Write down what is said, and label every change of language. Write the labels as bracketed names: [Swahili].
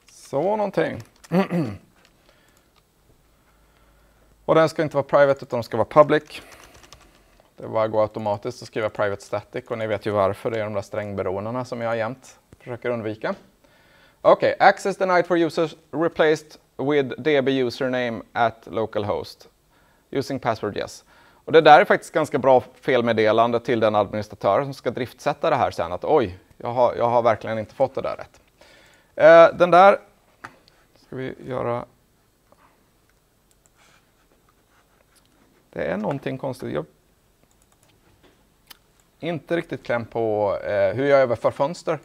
[Swedish] Så någonting. Och den ska inte vara private utan den ska vara public. Det bara går automatiskt att skriva private static och ni vet ju varför. Det är de där strängberoendena som jag jämt försöker undvika. Okej, okay. [English] Access denied for users replaced with DB username at localhost. Using password yes. [Swedish] Och det där är faktiskt ganska bra felmeddelande till den administratör som ska driftsätta det här sen. Att oj, jag har verkligen inte fått det där rätt. Den där ska vi göra. Det är någonting konstigt. Jag inte riktigt kläm på hur jag överför fönster.